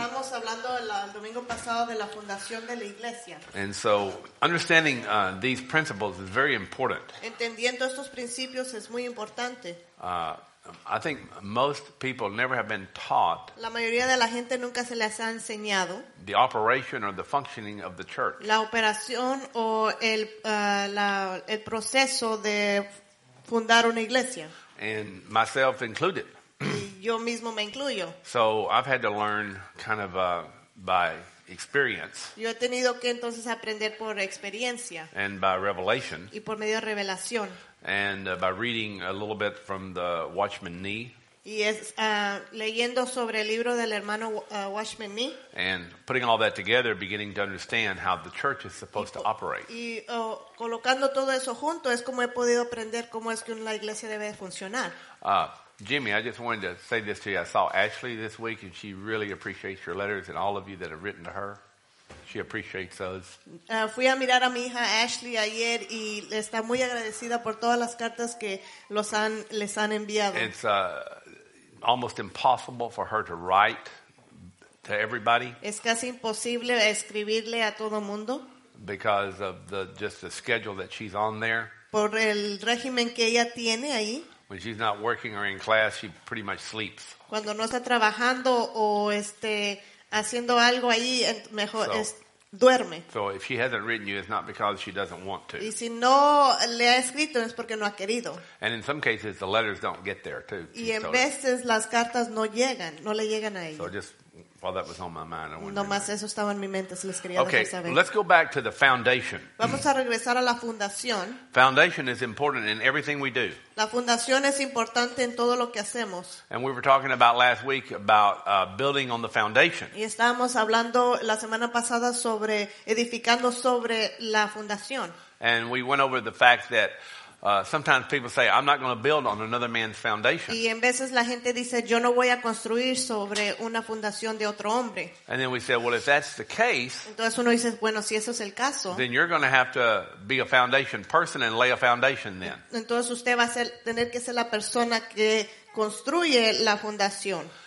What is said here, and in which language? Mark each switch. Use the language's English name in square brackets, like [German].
[Spanish] Estábamos hablando el domingo pasado de la fundación de la iglesia. [English] And so, understanding these principles is very important. [Spanish] Entendiendo estos principios es muy importante. [English] I think most people never have been taught. [Spanish] La mayoría de la gente nunca se les ha enseñado. [English] The operation or the functioning of the church. [Spanish] La operación o el el proceso de fundar una iglesia. [English] And myself included. [Spanish] Yo mismo me incluyo. [English] So I've had to learn kind of by experience. [Spanish] Yo he tenido que entonces aprender por experiencia. [English] And by revelation. [Spanish] Y por medio de revelación. [English] And by reading a little bit from the Watchman Nee. [Spanish] Y es leyendo sobre el libro del hermano Watchman Nee. [English] And putting all that together, beginning to understand how the church is supposed to operate. [Spanish] Y colocando todo eso junto, es como he podido aprender cómo es que la iglesia debe funcionar. [English] Jimmy, I just wanted to say this to you. I saw Ashley this week, and she really appreciates your letters and all of you that have written to her. She appreciates those. [Spanish] Fui a mirar a mi hija Ashley ayer y está muy agradecida por todas las cartas que les han enviado. [English] It's almost impossible for her to write to everybody. [Spanish] Es casi imposible escribirle a todo mundo. [English] Because of the schedule that she's on there. [Spanish] Por el régimen que ella tiene ahí. [English] When she's not working or in class, she pretty much sleeps. [Spanish] Cuando no está trabajando o haciendo algo ahí, mejor duerme. [English] So if she hasn't written you, it's not because she doesn't want to. [Spanish] Y si no le ha escrito, es porque no ha querido. [English] And in some cases, the letters don't get there too. [Spanish] Y en veces las cartas no llegan, no le llegan a ella. [English] So just while that was on my mind, I wanted. [Spanish] No más eso estaba en mi mente, se les quería dejar saber. [English] Okay, let's go back to the foundation. [Spanish] Vamos a regresar a la fundación. [English] Foundation is important in everything we do. [Spanish] La fundación es importante en todo lo que hacemos. [English] And we were talking about last week about building on the foundation. [Spanish] Y estábamos hablando la semana pasada sobre edificando sobre la fundación. [English] And we went over the fact that sometimes people say, I'm not going to build on another man's foundation. [Spanish] Y en veces la gente dice, yo no voy a construir sobre una fundación de otro hombre. [English] And then we say, well, if that's the case, [Spanish] entonces uno dice, bueno, si eso es el caso, [English] then you're going to have to be a foundation person and lay a foundation then. [Spanish] Entonces usted va a tener que ser la persona que construye la fundación.